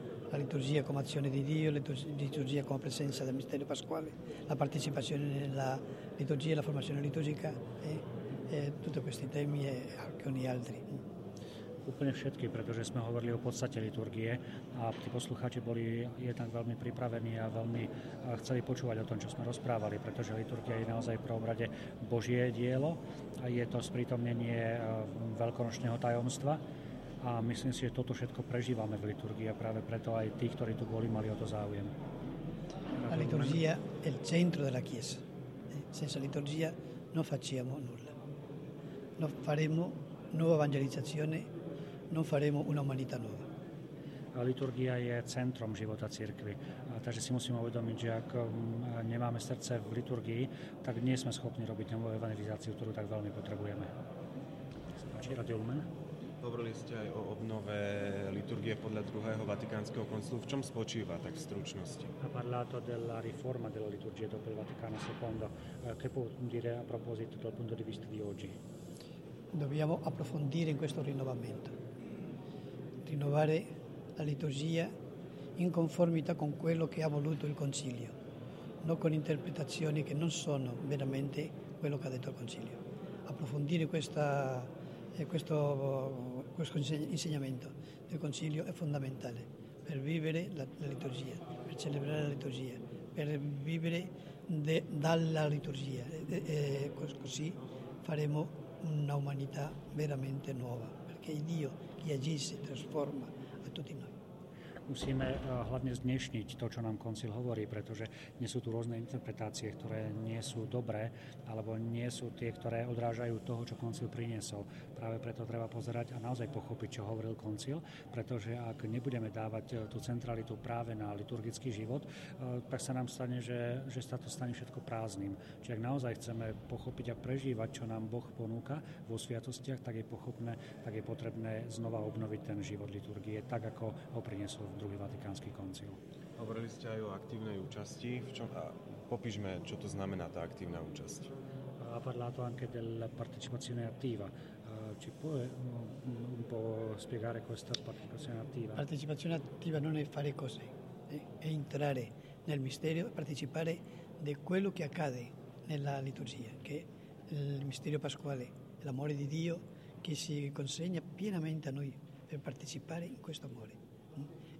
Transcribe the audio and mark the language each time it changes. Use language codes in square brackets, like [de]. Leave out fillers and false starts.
[it] La liturgia come azione di Dio, la liturgia come presenza del mistero pasquale, la partecipazione nella liturgia, la formazione liturgica e tutti questi temi e alcuni altri. [sk] Úplne všetky, pretože sme hovorili o podstate liturgie a tí poslucháči boli jednak veľmi pripravení a veľmi chceli počúvať o tom, čo sme rozprávali, pretože liturgia je naozaj v prvom rade Božie dielo a je to sprítomnenie veľkonočného tajomstva a myslím si, že toto všetko prežívame v liturgii a práve preto aj tí, ktorí tu boli, mali o to záujem. [it] La liturgia è il centro della Chiesa. Senza liturgia non facciamo nulla. Non faremo nuova evangelizzazione. Non faremo una umanità nuova. [sk] A liturgia je centrom života cirkvi. Takže si musíme uvedomiť, že ak nemáme srdce v liturgii, tak nie sme schopní robiť novú evangelizáciu, ktorú tak veľmi potrebujeme. Páči, Radio Lumen. Hovorili ste aj o obnove liturgie podľa druhého Vatikánskeho koncilu. V čom spočíva tak v stručnosti? [it] Ha parlato della riforma della liturgia dopo il Vaticano II. Che può dire a proposito dal punto di vista di oggi? Dobbiamo approfondire in questo rinnovamento. Rinnovare la liturgia in conformità con quello che ha voluto il Concilio, non con interpretazioni che non sono veramente quello che ha detto il Concilio. Approfondire questo insegnamento del Concilio è fondamentale per vivere la liturgia, per celebrare la liturgia, per vivere dalla liturgia. Così faremo una umanità veramente nuova, perché è Dio che agisce, trasforma a tutti noi. [sk] Musíme hlavne znešniť to, čo nám koncil hovorí, pretože nie sú tu rôzne interpretácie, ktoré nie sú dobré, alebo nie sú tie, ktoré odrážajú toho, čo koncil priniesol. Práve preto treba pozerať a naozaj pochopiť, čo hovoril koncil, pretože ak nebudeme dávať tú centralitu práve na liturgický život, tak sa nám stane, že sa to stane všetko prázdnym. Čiže ak naozaj chceme pochopiť a prežívať, čo nám Boh ponúka vo sviatostiach, tak je potrebné znova obnoviť ten život liturgie, tak ako ho priniesol druhý Vatikánsky koncil. Hovorili ste aj o aktívnej účasti. Popíšme, čo to znamená tá aktívna účasť. [it] Ha parlato anche della partecipazione attiva. Ci può un po' spiegare questa partecipazione attiva? Partecipazione attiva non è fare cose, è entrare nel mistero e partecipare di quello che accade nella liturgia, che è il mistero pasquale, l'amore di Dio che si consegna pienamente a noi per partecipare in questo amore.